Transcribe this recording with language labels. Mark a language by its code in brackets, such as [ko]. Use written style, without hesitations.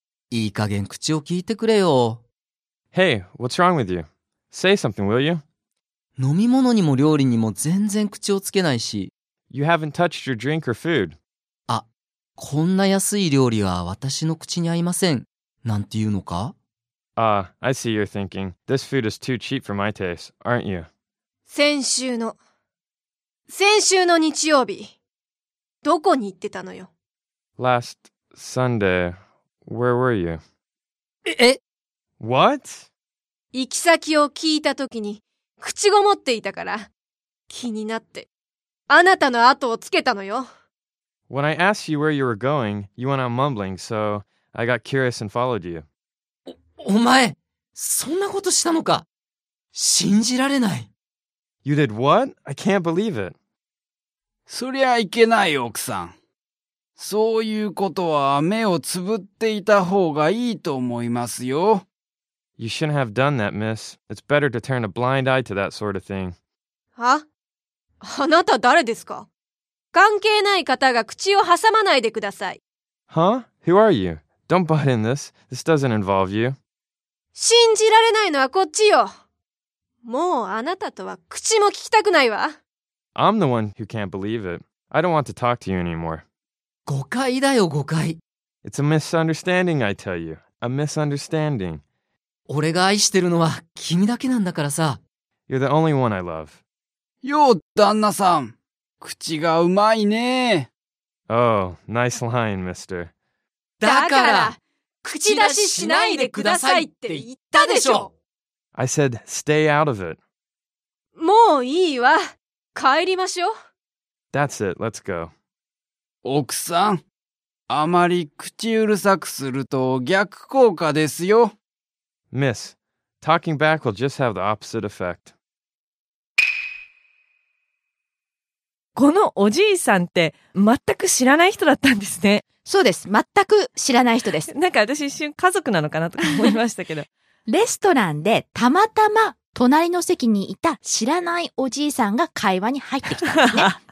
[ja] いい加減口を聞いてくれよ。 [en] Hey, what's wrong with you? Say something, will you? [ja] 飲み物にも料理にも全然口をつけないし。 [en] You haven't touched your drink or food. [ja] あ、こんな安い料理は私の口に合いません。なんて言うのか。 [en] I see you're thinking. This food is too cheap for my taste, aren't you? [ja] 先週の日曜日、どこに行ってたのよ。 [en] Last Sunday... Where were you? [ja] え? [en] What? [ja] 行き先を聞いた時に口ごもっていたから気になってあなたの後をつけたのよ。 [en] When I asked you where you were going, you went on mumbling, so I got curious and followed you. [ja] お前そんなことしたのか。信じられない。 [en] You did what? I can't believe it. [ja] そりゃいけないよ奥さん。そういうことは目をつぶっていた方がいいと思いますよ。 [en] You shouldn't have done that, miss. It's better to turn a blind eye to that sort of thing. [ja] あ?あなた誰ですか? 関係ない方が口を挟まないでください。 [en] Huh? Who are you? Don't butt in this. This doesn't involve you. [ja] 信じられないのはこっちよ。もうあなたとは口も聞きたくないわ。 [en] I'm the one who can't believe it. I don't want to talk to you anymore. [ja] 誤解だよ誤解。 [en] It's a misunderstanding, I tell you. A misunderstanding. [ja] 俺が愛してるのは君だけなんだからさ。 [en] You're the only one I love. [ja] よう旦那さん、口がうまいね。 [en] Oh, nice line, mister. [ja] だから、口出ししないでくださいって言ったでしょ。 [en] I said, stay out of it. [ja] もういいわ。帰りましょう。 [en] That's it, let's go. [ja] 奥さん、あまり口うるさくすると逆効果ですよ。 [en] Miss, talking back will just have the opposite effect. [ja] このおじいさんって全く知らない人だったんですね。そうです、全く知らない人です。なんか私一瞬家族なのかなとか思いましたけど。レストランでたまたま隣の席にいた知らないおじいさんが会話に入ってきたんですね。